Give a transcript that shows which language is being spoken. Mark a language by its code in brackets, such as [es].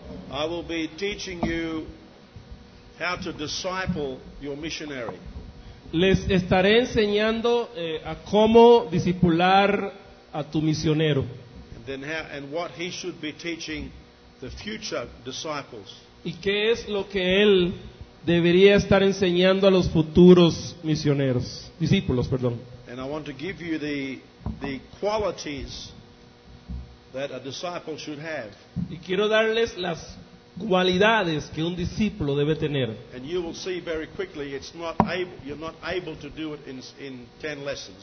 [en] I will be teaching you how to disciple your missionary. [es] Les estaré enseñando a cómo discipular a tu misionero. [en] And then how, and what he should be teaching the future disciples. [es] Y qué es lo que él debería estar enseñando a los futuros misioneros, discípulos, perdón. [en] And I want to give you the qualities that a disciple should have. [es] Y quiero darles las cualidades que un discípulo debe tener. [en] And you will see very quickly it's not able, you're not able to do it in 10 lessons.